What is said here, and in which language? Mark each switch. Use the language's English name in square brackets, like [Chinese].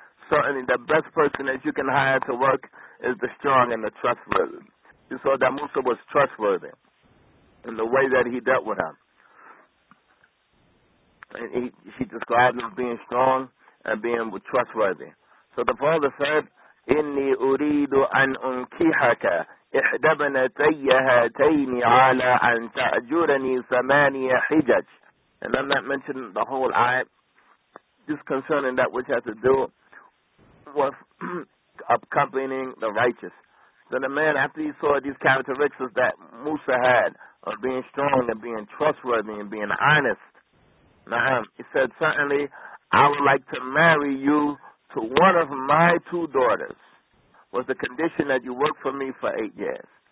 [English] Certainly the best person that you can hire to work is the strong and the trustworthy. You saw that Musa was trustworthy in the way that he dealt with him. And she described him as being strong and being trustworthy. So the father said, [Arabic] إني أريد أن أنكحك إحدى بنتي هاتين على أن تأجرني ثمانية حجج. [English] And I'm not mentioning the whole ayah, just concerning that which has to do with accompanying the righteous. So the man, after he saw these characteristics that Musa had of being strong and being trustworthy and being honest, he said, certainly I would like to marry you to one of my two daughters, was the condition that you work for me for 8 years.